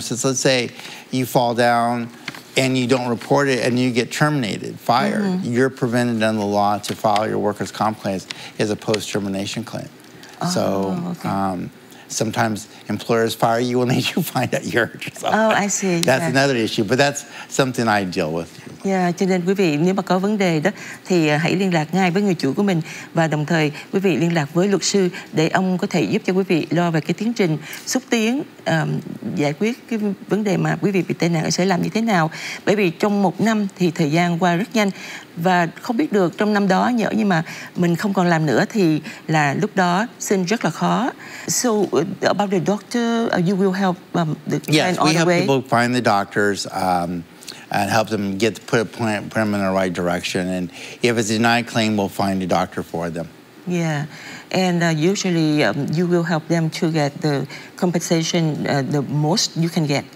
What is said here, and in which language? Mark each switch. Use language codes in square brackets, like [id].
[en] Since let's say you fall down and you don't report it and you get terminated, fired, mm-hmm, you're prevented under the law to file your workers' comp claims as a post-termination claim. Oh, so, okay. sometimes employers fire you when they do find out your address. Oh, I see. That's another issue, but that's something I deal with. [vi] Yeah, cho nên quý vị nếu mà có vấn đề đó thì hãy liên lạc ngay với người chủ của mình và đồng thời quý vị liên lạc với luật sư để ông có thể giúp cho quý vị lo về cái tiến trình xúc tiến giải quyết cái vấn đề mà quý vị bị tai nạn sẽ làm như thế nào. Bởi vì trong một năm thì thời gian qua rất nhanh và không biết được trong năm đó nhỡ như mà mình không còn làm nữa thì là lúc đó xin rất là khó. [en] So about the doctor, you will help the client on the way? Yes, we help people find the doctors. And help them get put them in the right direction. And if it's a denied claim, we'll find a doctor for them. Yeah, and usually you will help them to get the compensation the most you can get.